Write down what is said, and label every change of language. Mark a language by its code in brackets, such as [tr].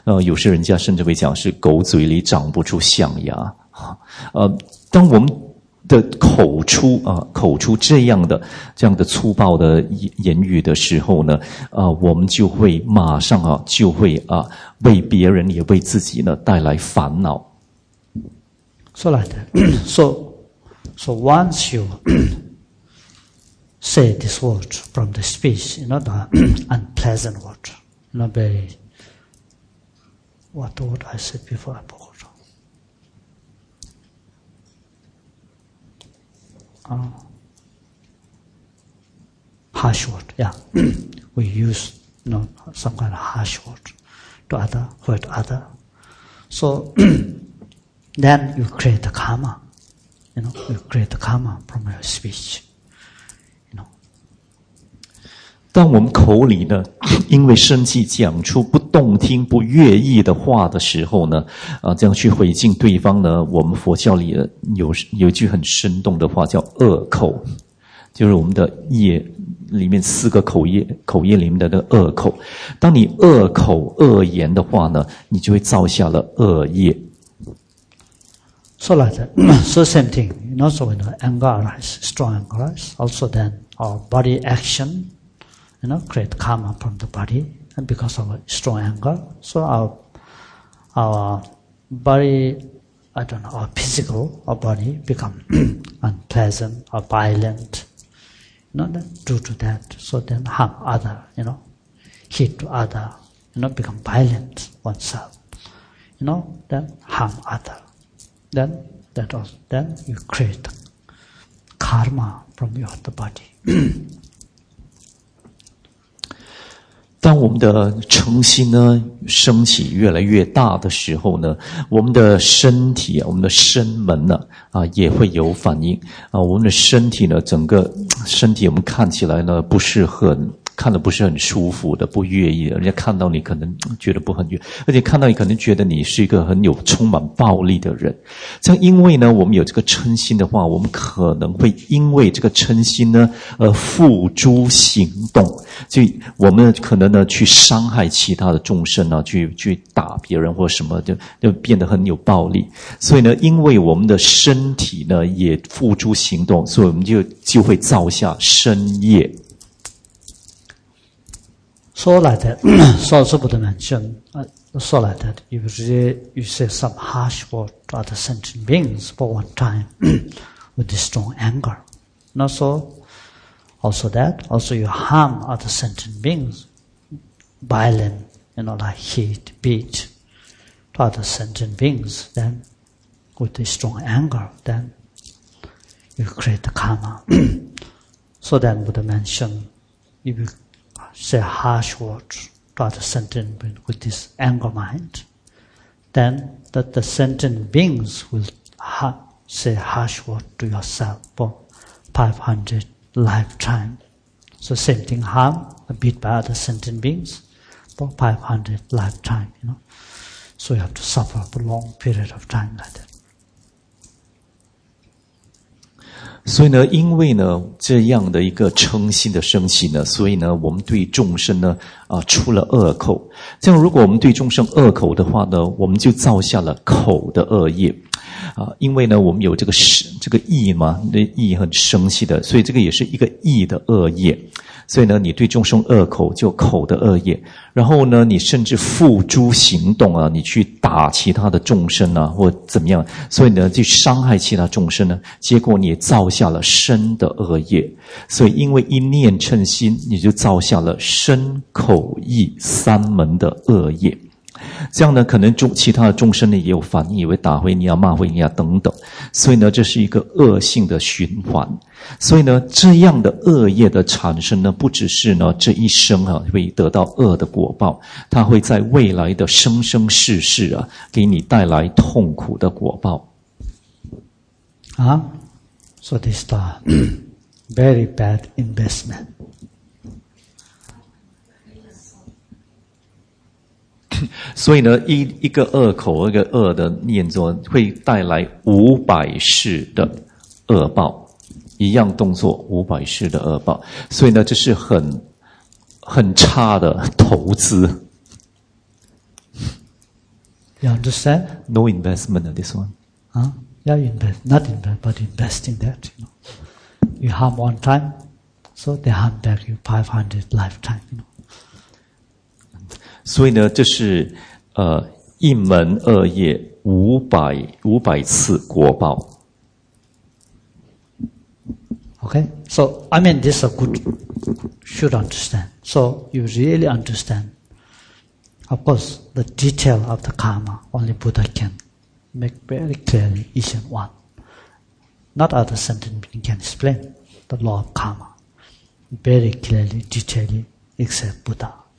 [zh] 有些人家甚至会讲是狗嘴里长不出象牙啊。当我们的口出啊，口出这样的粗暴的言语的时候呢，啊，我们就会马上啊，就会啊，为别人也为自己呢带来烦恼。 [en] So like that. So once you say this word from the speech, you know the unpleasant word, you know very. What word I said before? Harsh word, yeah. We use, you know, some kind of harsh word to other, hurt other. So, then you create the karma. You know, you create the karma from your speech. You know. [zh] 当我们口里呢，因为生气讲出不动听、不悦意的话的时候呢，这样去回敬对方呢，我们佛教里有一句很生动的话叫恶口，就是我们的业里面四个口业里面的那个恶口。当你恶口恶言的话呢，你就会造下了恶业。 [en] So like that, so same thing. You know, so when the anger arises, strong anger arises, also then our body action. You know, create karma from the body, and because of strong anger, so our body, I don't know, our body become unpleasant or violent. You know, then due to that, so then harm other, you know, hit to other, you know, become violent oneself. You know, then harm other. Then, that also, then you create karma from the body. [zh] 当我们的嗔心呢升起越来越大的时候呢，我们的身体啊，我们的身门呢 也会有反应啊。我们的身体呢，整个身体我们看起来呢不是很看得不是很舒服的，不愿意的。人家看到你可能觉得不很悦，而且看到你可能觉得你是一个很有充满暴力的人。这样因为呢，我们有这个嗔心的话，我们可能会因为这个嗔心呢，付诸行动。所以我们可能呢去伤害其他的众生啊，去打别人或什么，就变得很有暴力。所以呢，因为我们的身体呢也付诸行动，所以我们就会造下身业。 [en] So like that, so also Buddha mentioned, so like that, if you say some harsh word to other sentient beings for one time, with this strong anger, you know, so, also that, also you harm other sentient beings, violent, you know, like hit, beat, to other sentient beings, then, with this strong anger, then, you create the karma. So then Buddha mentioned, if you,say harsh words to the sentient being with this anger mind, then that the sentient beings will say harsh words to yourself for 500 lifetime. So same thing, harm, beat by other sentient beings for 500 lifetime, you know. So you have to suffer for a long period of time like that. [zh] 所以呢，因为呢这样的一个嗔心的升起呢，所以呢我们对众生呢出了恶口。这样如果我们对众生恶口的话呢，我们就造下了口的恶业。因为呢我们有这个意嘛，那意很生气的，所以这个也是一个意的恶业。所以呢你对众生恶口就口的恶业。然后呢你甚至付诸行动啊，你去打其他的众生啊或怎么样。所以呢去伤害其他众生呢，结果你也造下了身的恶业。所以因为一念嗔心，你就造下了身口意三门的恶业。这样呢可能其他的众生呢也有反应，也会打回你啊骂回你啊等等。所以呢这是一个恶性的循环。所以呢这样的恶业的产生呢，不只是呢这一生啊会得到恶的果报，它会在未来的生生世世啊给你带来痛苦的果报。 [en] 啊 ,so this is a very bad investment. [zh] 所以呢一个恶口，一个恶的念作会带来五百世的恶报，一样动作五百世的恶报。所以呢这是很差的投资。 [en] You understand? No investment in this one. Yeah, invest, not invest, but invest in that. You know. You harm one time, so they harm back you 500 lifetime, you know. [zh] 所以呢这是一门恶业500次果报。 [en] Okay, so, I mean, this is a good, should understand. So, you really understand. Of course, the detail of the karma, only Buddha can make very clearly, each and one. Not other sentient beings can explain the law of karma. Very clearly, detailly, except Buddha.